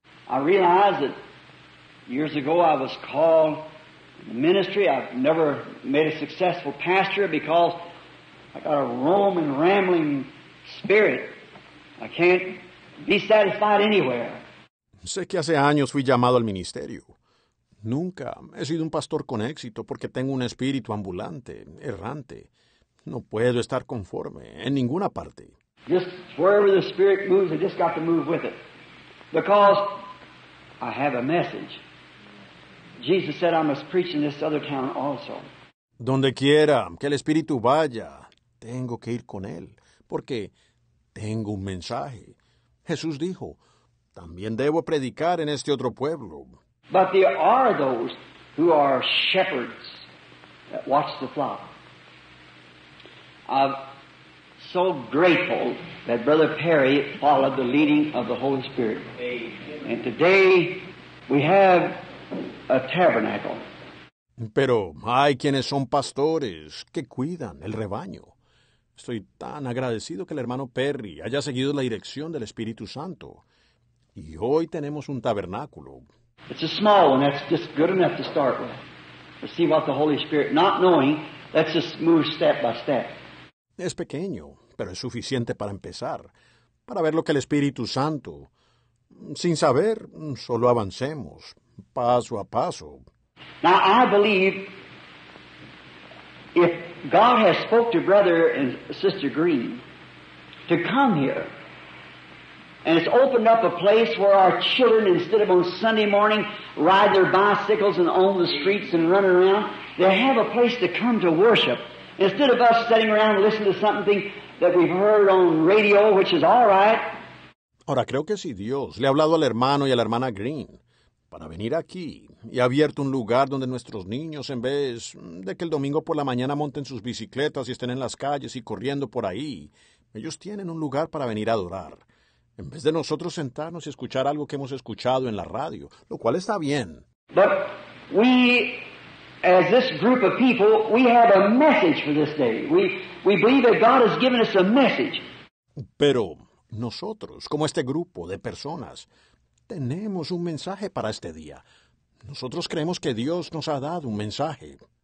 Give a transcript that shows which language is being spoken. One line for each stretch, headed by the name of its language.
English: I realize that years ago I was called in the ministry. I've never made a successful pastor because I got a roaming, rambling spirit. I can't be satisfied anywhere.
Spanish: Sé que hace años fui llamado al ministerio. Nunca he sido un pastor con éxito porque tengo un espíritu ambulante, errante. No puedo estar conforme en ninguna parte.
English: Just wherever the Spirit moves, I just got to move with it. Because I have a message. Jesus said I must preach in this other town also.
Spanish: Donde quiera que el Espíritu vaya, tengo que ir con él. Porque tengo un mensaje. Jesús dijo, también debo predicar en este otro pueblo.
English: But there are those who are shepherds that watch the flock. I'm so grateful that Brother Perry followed the leading of the Holy Spirit. And today we have a tabernacle.
Spanish: Pero hay quienes son pastores que cuidan el rebaño. Estoy tan agradecido que el hermano Perry haya seguido la dirección del Espíritu Santo. Y hoy tenemos un tabernáculo.
English: It's a small one. That's just good enough to start with. To see what the Holy Spirit, not knowing, let's just move step by step.
Spanish: Es pequeño, pero es suficiente para empezar. Para ver lo que el Espíritu Santo, sin saber, solo avancemos, paso a paso.
English: Now, I believe if God has spoke to Brother and Sister Green to come here, and it's opened up a place where our children, instead of on Sunday morning, ride their bicycles and on the streets and run around, they have a place to come to worship. Instead of us sitting around and listening to something that we've heard on radio, which is all right.
Spanish: Ahora, creo que si Dios le ha hablado al hermano y a la hermana Green para venir aquí y ha abierto un lugar donde nuestros niños, en vez de que el domingo por la mañana monten sus bicicletas y estén en las calles y corriendo por ahí, ellos tienen un lugar para venir a adorar. En vez de nosotros sentarnos y escuchar algo que hemos escuchado en la radio, lo cual está bien.
English: But we, as this group of people, we have a message for this day. We believe that God has given us a message.
Spanish: Pero nosotros, como este grupo de personas, tenemos un mensaje para este día. Nosotros creemos que Dios nos ha dado un mensaje.